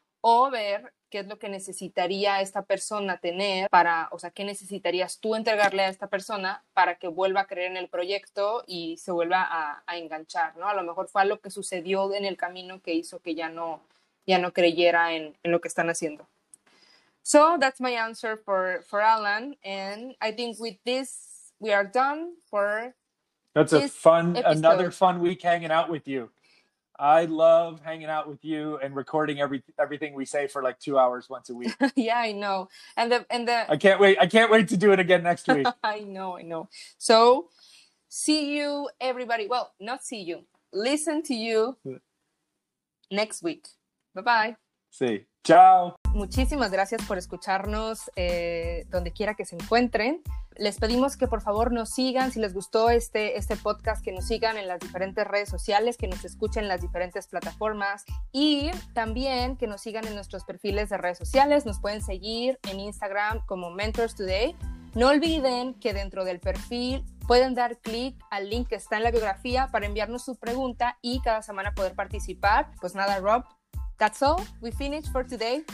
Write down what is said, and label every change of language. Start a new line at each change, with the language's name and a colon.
Spanish: O ver qué es lo que necesitaría esta persona tener para, o sea, qué necesitarías tú entregarle a esta persona para que vuelva a creer en el proyecto y se vuelva a enganchar, ¿no? A lo mejor fue algo que sucedió en el camino que hizo que ya no creyera en lo que están haciendo.
English: So that's my answer for Alan. And I think with this, we are done for that's this a fun, episode. Another fun week hanging out with you. I love hanging out with you and recording everything we say for like 2 hours once a week. Yeah, I know. And the I can't wait to do it again next week. I know. So see you everybody. Well, not see you. Listen to you next week. Bye-bye.
Spanish: Sí. Chao. Muchísimas gracias por escucharnos donde quiera que se encuentren. Les pedimos que por favor nos sigan, si les gustó este podcast, que nos sigan en las diferentes redes sociales, que nos escuchen en las diferentes plataformas y también que nos sigan en nuestros perfiles de redes sociales. Nos pueden seguir en Instagram como Mentors Today. No olviden que dentro del perfil pueden dar clic al link que está en la biografía para enviarnos su pregunta y cada semana poder participar. Pues nada,
English: Rob, that's all. We finished for today.